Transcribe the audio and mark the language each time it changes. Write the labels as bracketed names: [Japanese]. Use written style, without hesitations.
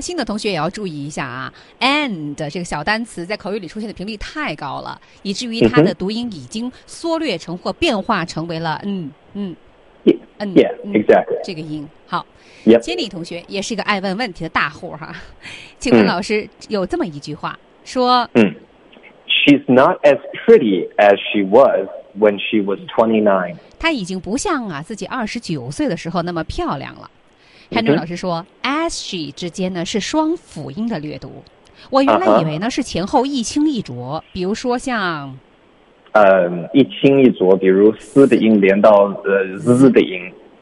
[Chinese] 新的同学也要注意一下啊。And 这个小单词在口语里出现的频率太高了，以至于它的读音已经缩略成或变化成为了 [English] Yeah, exactly. [Chinese] 这个音好。 [English] Yep. [Chinese] 千里同学也是一个爱问问题的大户哈、啊。请问老师、有这么一句话说。 [English] She's not as pretty as she was when she was 29. [Chinese] 她已经不像啊自己29岁的时候那么漂亮了。 Henry 老师说 ,as she 之间呢是双辅音的略读。我原来以为呢、是前后一清一浊，比如说像。一清一浊，比如思的音连到z 的音，